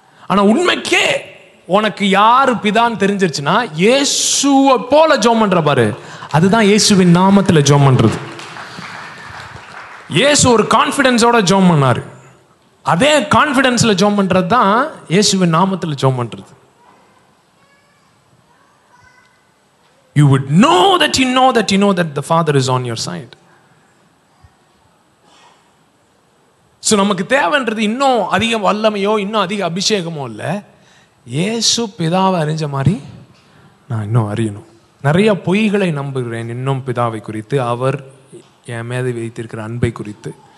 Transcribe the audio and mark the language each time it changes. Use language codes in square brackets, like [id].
[ta] ஆனால் உண்மைக்கே உனக்கு யார் பிதான்னு தெரிஞ்சிருச்சுன்னா இயேசுவை போல ஜெபம் பண்ணுற பாரு, அதுதான் இயேசுவின் நாமத்தில் ஜெபம் பண்ணுறது. இயேசு ஒரு கான்ஃபிடென்ஸோட ஜெபம் பண்ணார், அதே கான்ஃபிடென்ஸில் ஜெபம் பண்ணுறது தான் இயேசுவின் நாமத்தில் ஜெபம் பண்ணுறது. [en] You would know that you know that you know that the Father is on your side. [ta] So நமக்கு தேவைன்றது இன்னும் அதிக வல்லமையோ இன்னும் அதிக அபிஷேகமோ இல்லை, ஏசு பிதாவை அறிஞ்ச மாதிரி நான் இன்னும் அறியணும். நிறைய பொய்களை நம்புகிறேன் இன்னும் பிதாவை குறித்து, அவர் என் மேத வைத்திருக்கிற அன்பை குறித்து.